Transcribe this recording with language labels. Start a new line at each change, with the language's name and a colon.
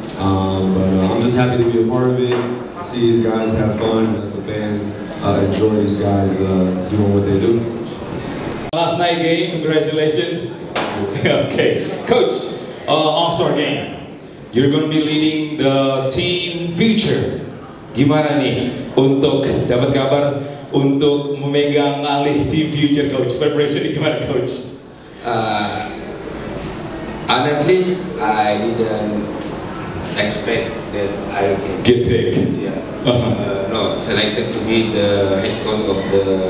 English: I'm just happy to be a part of it, see these guys have fun, let the fans enjoy these guys doing what they do. Last night game, congratulations. Okay, coach. All-Star game, you're going to be leading the team future.
Indonesian: Gimana nih untuk dapat kabar untuk memegang alih team future, coach? Preparation gimana, coach?
English: Honestly, I didn't expect that I can get picked. Yeah. selected to be the head coach of the